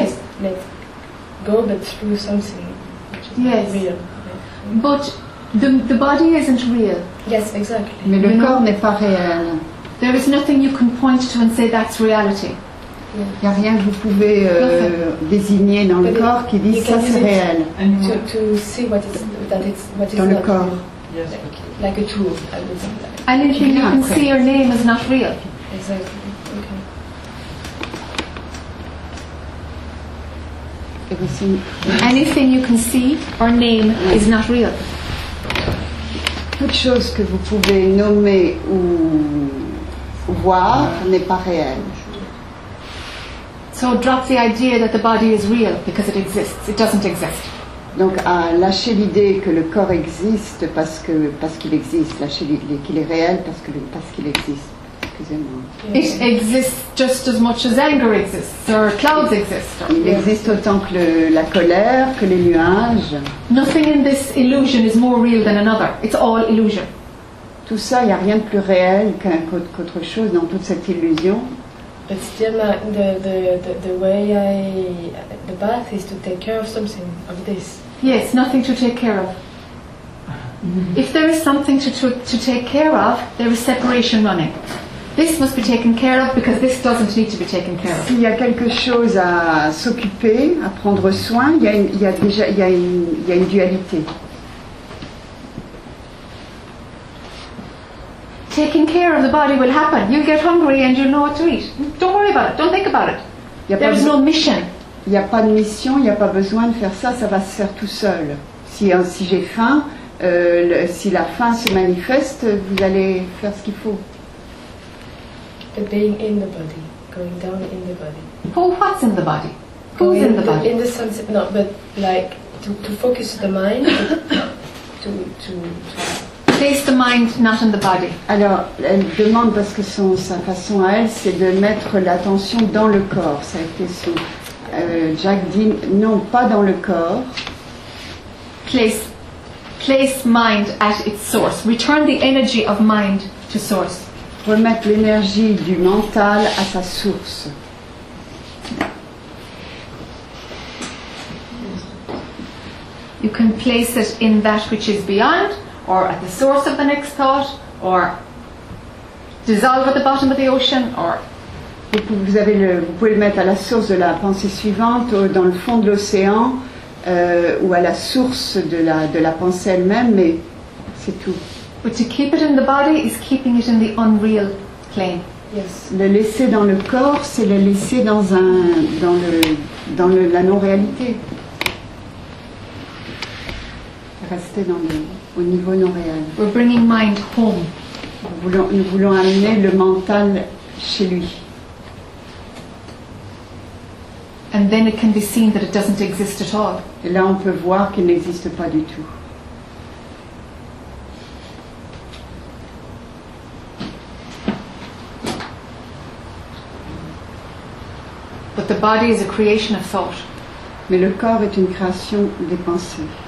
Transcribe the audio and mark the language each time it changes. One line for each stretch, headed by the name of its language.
English: You just let go, but through something which is yes. Not real. Yeah. But the body isn't real. Yes, exactly.
French: Mais le corps n'est pas réel.
English: There is nothing you can point to and say that's reality.
French: Il n'y a rien que vous pouvez désigner dans
English: but
French: le corps qui dit ça c'est réel.
English: To see what is, that it's, what
French: dans
English: is
French: le corps.
English: Real. Yes. Like a tool. Like. Anything you can correct. See your name is not real. Exactly. Okay. Anything you can see or name yes. Is not real.
French: Toute chose que vous pouvez nommer ou voir n'est pas réelle.
English: So drop the idea that the body is real because it exists. It doesn't exist.
French: Donc à lâcher l'idée que le corps existe parce qu'il existe, lâcher l'idée qu'il est réel parce qu'il existe. Excusez-moi.
English: It exists just as much as anger exists or clouds exist.
French: Il existe autant que la colère, que les nuages.
English: Nothing in this illusion is more real than another. It's all illusion.
French: Tout ça, il n'y a rien de plus réel qu'autre chose dans toute cette illusion.
English: But still, the way the bath is to take care of something of this. Yes, nothing to take care of. Mm-hmm. If there is something to take care of, there is separation running. This must be taken care of because this doesn't need to be taken care of.
French: S'il y a quelque chose à s'occuper, à prendre soin, il y a une dualité.
English: Taking care of the body will happen. You'll get hungry and you'll know what to eat. Don't worry about it. Don't think about it. There is no mission.
French: Il n'y a pas de mission. Il n'y a pas besoin de faire ça. Ça va se faire tout seul. Si j'ai faim, si la faim se manifeste, vous allez faire ce qu'il faut.
English: The being in the body, going down in the body. Who? What's in the body? Who's in the body? In the sense, not but like to focus the mind. to place the mind not in the body.
French: Alors, elle demande parce que sa façon à elle, c'est de mettre l'attention dans le corps. Ça a été son. Jacques dit non, pas dans le corps.
English: Place mind at its source. Return the energy of mind to source.
French: Remettre l'énergie du mental à sa source.
English: You can place it in that which is beyond. Or at the source of the next thought, or dissolve at the bottom of the ocean, or
French: vous pouvez le mettre à la source de la pensée suivante, ou dans le fond de l'océan, ou à la source de la pensée elle-même, mais c'est tout.
English: But to keep it in the body is keeping it in the unreal plane. Yes.
French: Le laisser dans le corps, c'est le laisser dans la non-réalité. Rester dans le au niveau non réel.
English: We're bringing mind home.
French: Nous voulons amener le mental chez lui.
English: And then it can be seen that it doesn't exist at all.
French: Et là, on peut voir qu'il n'existe pas du tout.
English: But the body is a creation of thought.
French: Mais le corps est une création des pensées.